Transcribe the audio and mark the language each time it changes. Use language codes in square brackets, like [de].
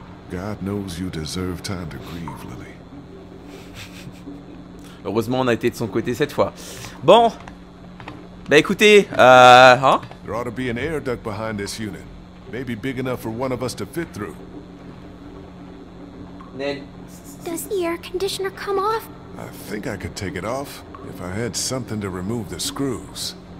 [en] God knows you deserve time to grieve, Lily. [fr] Heureusement, on a été de son côté cette fois. Bon. Bah écoutez, hein? [en] There ought to be an air duct behind this unit. Maybe big enough for one of us to fit through. Ned. Does the air conditioner come off? I think I could take it off if I had something to remove the screws.